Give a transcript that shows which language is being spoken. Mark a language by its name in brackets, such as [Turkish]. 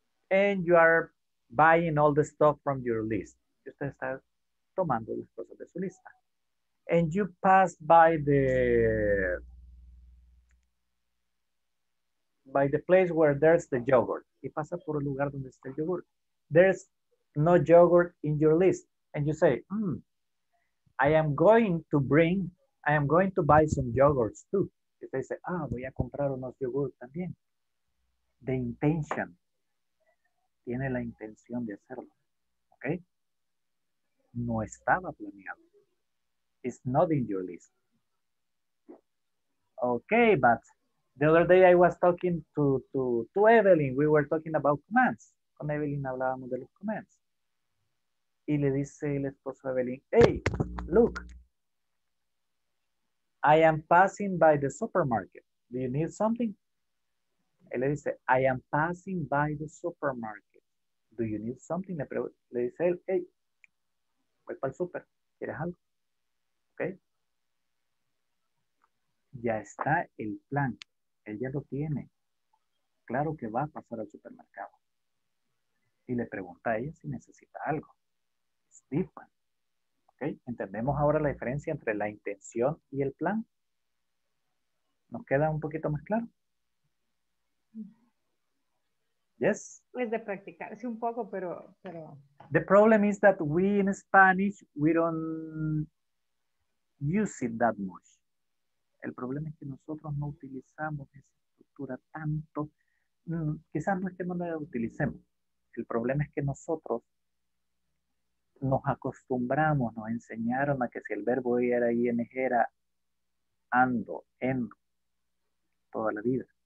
[English] And you are buying all the stuff from your list. [Spanish] Usted está tomando las cosas de su lista. [English] And you pass by the place where there's the yogurt. [Spanish] Y pasa por el lugar donde está el yogurt. [English] There's no yogurt in your list. And you say, I am going to buy some yogurts too. [Spanish] Y usted dice, ah, voy a comprar unos yogurts también. The intention. Tiene la intención de hacerlo. ¿Ok? [English] No estaba planeado. It's not in your list. Ok, but the other day I was talking to Evelyn. We were talking about commands. Con Evelyn hablábamos de los commands. [Spanish] Y le dice el esposo a Evelyn, hey, look. [English] I am passing by the supermarket. Do you need something? [Spanish] Y le dice, I am passing by the supermarket. [English] Do you need something? [Spanish] Le dice él, hey, voy para el super. ¿Quieres algo? Ok. Ya está el plan. Él ya lo tiene. Claro que va a pasar al supermercado. Y le pregunta a ella si necesita algo. It's different. Okay. ¿Entendemos ahora la diferencia entre la intención y el plan? ¿Nos queda un poquito más claro? [English] Yes. [Spanish] Pues de practicarse un poco, pero, [English] The problem is that we in Spanish, we don't use it that much. [Spanish] El problema es que nosotros no utilizamos esa estructura tanto. Quizás no es que no la utilicemos. El problema es que nosotros nos acostumbramos, nos enseñaron a que si el verbo era ing era ando, endo, toda la vida.